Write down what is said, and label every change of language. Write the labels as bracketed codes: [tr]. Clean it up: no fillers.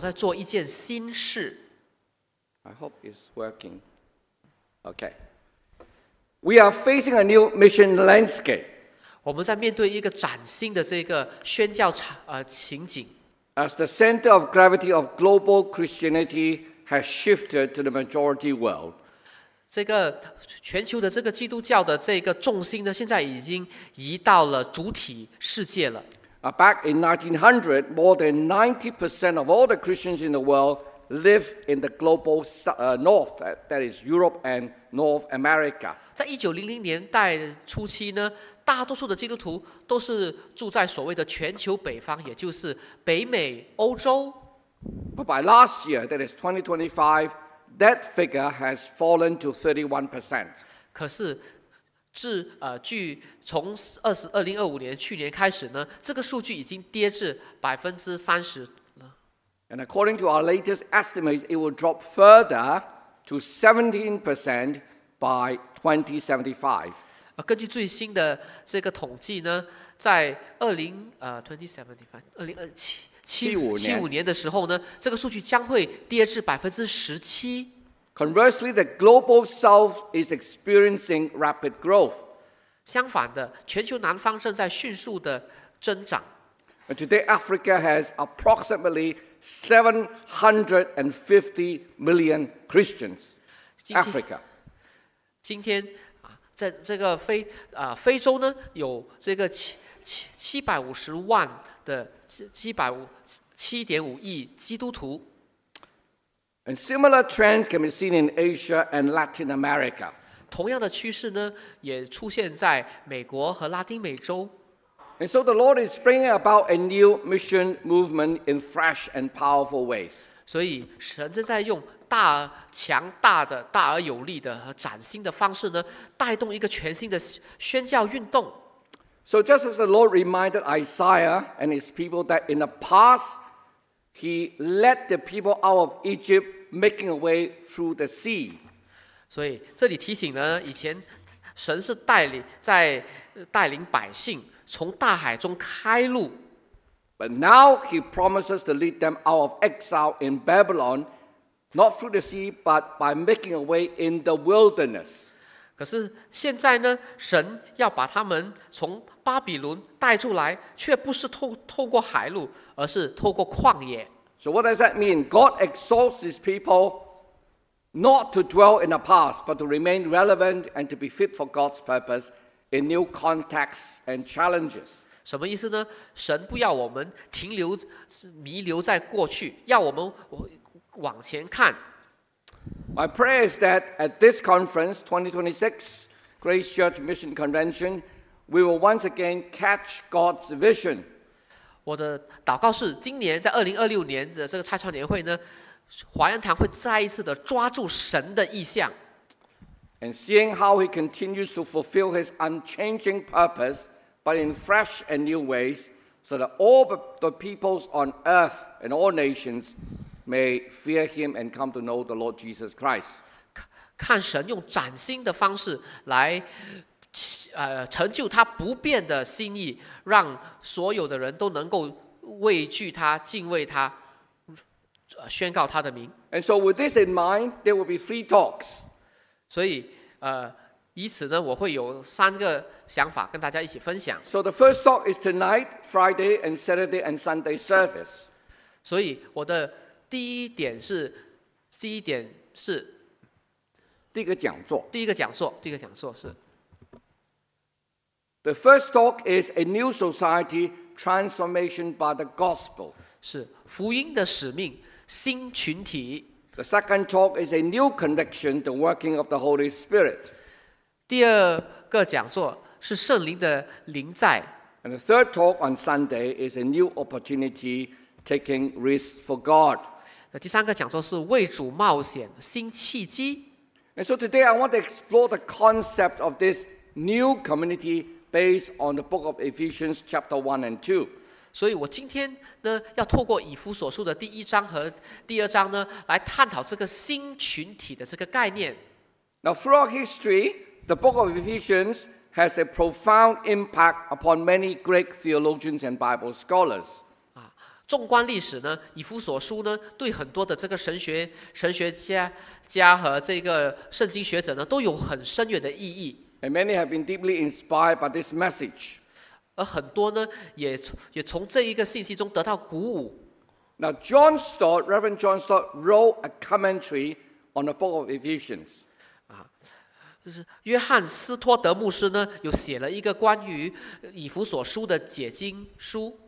[zh] 大家应该也在荧幕上看到我们这一今年的这个主题是这个来自取自于以赛亚书43章的这个主题。看啊，我在做一件新事。 [en] I hope it's working. Okay. We are facing a new mission landscape. [zh] 我们在面对一个崭新的这个宣教情景。 [en] As the center of gravity of global Christianity has shifted to the majority world. [zh] 这个全球的这个基督教的这个重心呢，现在已经移到了主体世界了。 [en] Back in 1900, more than 90% of all the Christians in the world live in the global north, that is Europe and North America. [zh] 在1900年代初期呢，大多数的基督徒都是住在所谓的全球北方，也就是北美、欧洲。 [en] But by last year, that is 2025, that figure has fallen to 31%. [zh] 可是至据从2025年去年开始呢，这个数据已经跌至30%了。 [en] And according to our latest estimates, it will drop further to 17% by 2075. [zh] 根据最新的这个统计呢，在2075年的时候呢，这个数据将会跌至17%。 [en] Conversely, the global south is experiencing rapid growth. [zh] 相反的，全球南方正在迅速的增长。 [en] And today, Africa has approximately 750 million Christians. Africa. [zh] 今天在这个非洲呢，有这个7.5亿基督徒。 [en] And similar trends can be seen in Asia and Latin America. [zh] 同样的趋势呢，也出现在美国和拉丁美洲。 [en] And so the Lord is bringing about a new mission movement in fresh and powerful ways. [zh] 所以神正在用大而强大的、大而有力的和崭新的方式呢，带动一个全新的宣教运动。 [en] So just as the Lord reminded Isaiah and his people that in the past,He led the people out of Egypt, making a way through the sea. [zh] 所以这里提醒呢，以前神是带领百姓从大海中开路。 [en] But now he promises to lead them out of exile in Babylon, not through the sea, but by making a way in the wilderness. [zh] 可是现在呢，神要把他们从巴比伦带出来，却不是透过海路，而是透过旷野。 [en] So what does that mean? God exhorts His people not to dwell in the past, but to remain relevant and to be fit for God's purpose in new contexts and challenges. [zh] 什么意思呢？神不要我们停留、弥留在过去，要我们往前看。 [en] My prayer is that at this conference, 2026 Grace Church Mission Convention. We will once again catch God's vision. [zh] 我的祷告是，今年在2026年的这个拆船年会呢，华人堂会再一次的抓住神的意象。 [en] And seeing how He continues to fulfill His unchanging purpose, but in fresh and new ways, so that all the peoples on earth and all nations may fear Him and come to know the Lord Jesus Christ. [zh] 看神用崭新的方式来。成就他不变的心意，让所有的人都能够畏惧他、敬畏他、宣告他的名。 [en] And so with this in mind, there will be three talks. [zh] 所以，以此呢，我会有三个想法跟大家一起分享。 So the first talk is tonight, Friday and Saturday and Sunday service. 所以我的第一点是第一个讲座是。 [en] The first talk is a new society transformation by the gospel. [zh] 是福音的使命，新群体。 [en] The second talk is a new conviction, the working of the Holy Spirit. [zh] 第二个讲座是圣灵的临在。 [en] And the third talk on Sunday is a new opportunity taking risks for God. [zh] 第三个讲座是为主冒险，新契机。 [en] And so today I want to explore the concept of this new community. Based on the book of Ephesians, chapter 1 and 2. [zh] 所以我今天呢，要透过以弗所书的第一章和第二章呢，来探讨这个新群体的这个概念。 [en] Now, throughout history, the book of Ephesians has a profound impact upon many Greek theologians and Bible scholars. [zh] 纵观历史呢，以弗所书呢，对很多的这个神学家和这个圣经学者呢，都有很深远的意义。 [en] And many have been deeply inspired by this message. [zh] 而很多呢，也从这一个信息中得到鼓舞。 [en] Now, John Stott, Reverend John Stott, wrote a commentary on the book of Ephesians. [zh] 约翰斯托德牧师呢，又写了一个关于以弗所书的解经书。